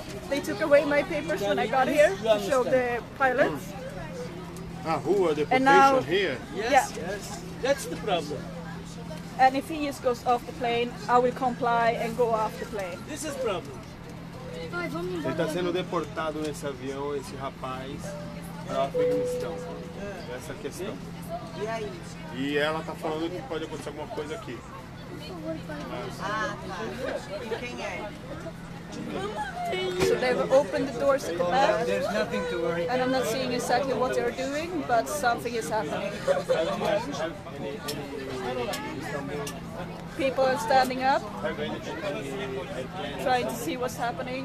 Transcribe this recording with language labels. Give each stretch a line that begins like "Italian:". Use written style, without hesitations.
English: They took away my papers when I got here to show the pilots. Ah, who are the people here? Yes, yeah. Yes. That's the problem. And if he just goes off the plane, I will comply and go off the plane. This is the problem.
Portuguese: Ele está sendo deportado nesse avião, esse rapaz, para o Afeganistão. Essa questão. E ela está falando que pode acontecer alguma coisa aqui. Ah, tá. Quem é?
English: So they've opened the doors at the back. There's nothing to worry. And I'm not seeing exactly what they're doing, but something is happening. People are standing up, trying to see what's happening.